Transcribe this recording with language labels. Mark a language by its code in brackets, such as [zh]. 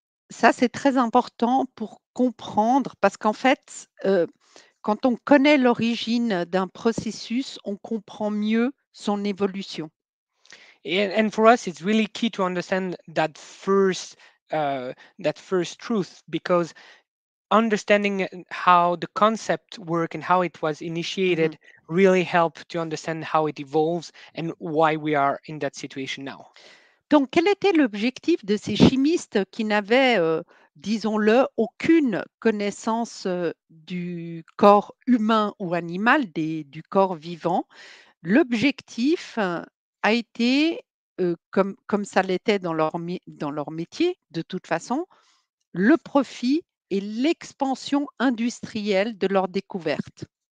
[fr] Ça, c'est très important pour comprendre, parce qu'en fait, quand on connaît l'origine d'un processus, on comprend mieux son évolution. [en] And for us, it's really key to understand that first truth, because understanding how the concept work and how it was initiated really help to understand how it evolves and why we are in that situation now. [fr] Donc, quel était l'objectif de ces chimistes qui n'avaient, disons-le, aucune connaissance du corps humain ou animal, du corps vivant? L'objectif a été, comme ça l'était dans leur métier, de toute façon, le profit et l'expansion industrielle de leur découverte.